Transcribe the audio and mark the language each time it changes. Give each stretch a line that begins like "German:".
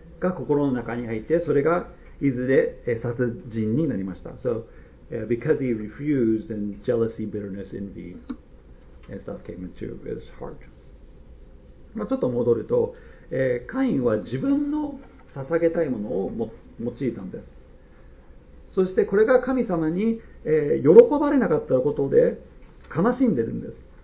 Japanese: が心の中に入って、それがいずれ殺人になりました。
English: So, because he refused, then jealousy, bitterness, envy, and stuff came into his heart.
Japanese: まあ、ちょっと戻ると、カインは自分の捧げたいものを用いたんです。そしてこれが神様に、喜ばれなかったことで悲しんでるんです。